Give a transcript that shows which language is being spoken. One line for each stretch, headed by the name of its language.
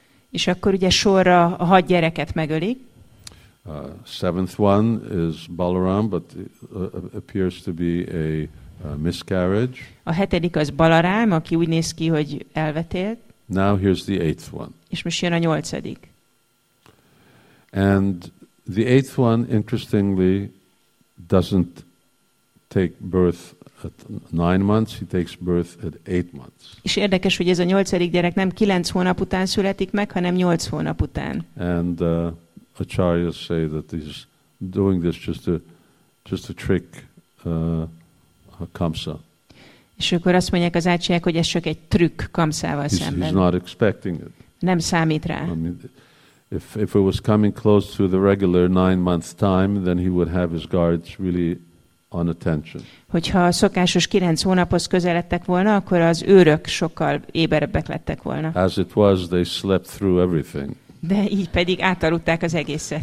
Hungarian: És akkor ugye sorra a hat gyereket megölik.
English: Seventh one is Balaram, but appears to be a miscarriage.
Hungarian: A hetedik az Balarám, aki úgy néz ki, hogy elvetélt.
English: Now here's the eighth one.
Hungarian: És most jön a nyolcadik.
English: And the eighth one, interestingly, doesn't take birth at 9 months, he takes birth at 8 months.
Hungarian: És érdekes, hogy ez a nyolcadik gyerek nem 9 hónap után születik meg, hanem 8 hónap után.
English: And acharyas say that he's doing this just to trick Kamsa.
Hungarian: És akkor azt mondják az ácsiák, hogy ez csak egy trükk Kamszával szemben.
English: He's not expecting it.
Hungarian: Nem számít rá.
English: I mean, if it was coming close to the regular 9 month time, then he would have his guards really on attention.
Hungarian: Hogyha a szokásos 9 hónaphoz közeledtek volna, akkor az őrök sokkal éberebbek lettek volna.
English: As it was, they slept through everything.
Hungarian: De így pedig átaludták az egészet.